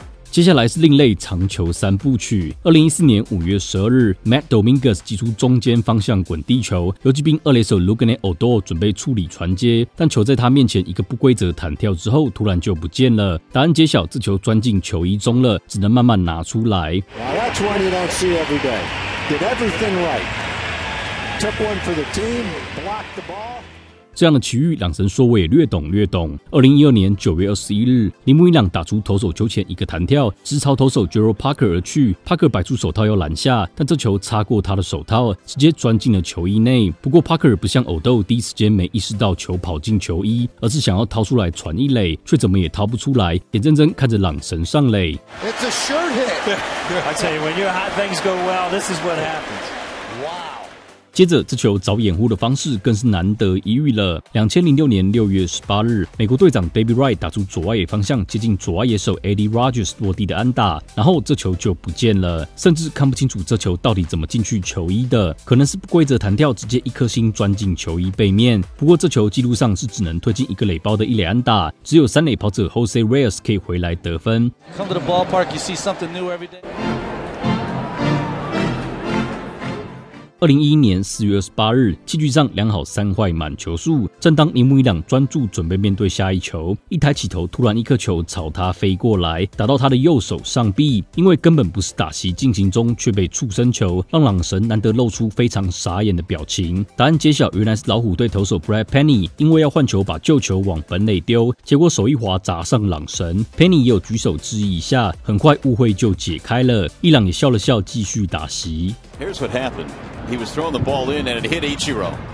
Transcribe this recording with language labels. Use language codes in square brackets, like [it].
[zh] 接下来是另类长球三部曲。2014年5月12日， Matt Dominguez 击出中间方向滚地球，游击兵二垒手 Lugane Odor 准备处理传接，但球在他面前一个不规则弹跳之后突然就不见了。答案揭晓，这球钻进球衣中了，只能慢慢拿出来。 [en] Well, that's one you don't see every day. Did everything right. Took one for the team, blocked the ball. [zh] 这样的奇遇朗神说我也略懂略懂。2012年9月21日，铃木一朗打出投手球前一个弹跳，直朝投手 Gerald Parker 而去， Parker 摆出手套要拦下，但这球擦过他的手套直接钻进了球衣内。不过 Parker 不像偶斗第一时间没意识到球跑进球衣，而是想要掏出来传一垒，却怎么也掏不出来，眼睁睁看着朗神上垒。 [en] It's a sure hit. I tell you, when you have things go well, this is what happens. [zh] 接着，这球找掩护的方式更是难得一遇了。 2006年6月18日，美国队长 David Wright 打出左外野方向，接近左外野手 Eddie Rogers 落地的安打，然后这球就不见了，甚至看不清楚这球到底怎么进去球衣的，可能是不规则弹跳，直接一颗星钻进球衣背面。不过这球记录上是只能推进一个垒包的一垒安打，只有三垒跑者 Jose Reyes 可以回来得分。 [en] Come to the ballpark, you see something new every day. [zh] 2011年4月28日，戏剧上两好三坏满球数，正当铃木一朗专注准备面对下一球，一抬起头，突然一颗球朝他飞过来，打到他的右手上臂，因为根本不是打席进行中，却被触身球，让朗神难得露出非常傻眼的表情。答案揭晓，原来是老虎队投手 Brad Penny 因为要换球，把旧球往本垒丢，结果手一滑砸上朗神。 Penny 也有举手致意一下，很快误会就解开了，一朗也笑了笑继续打席。 [en] Here's what happened. He was throwing the ball in and it hit Ichiro.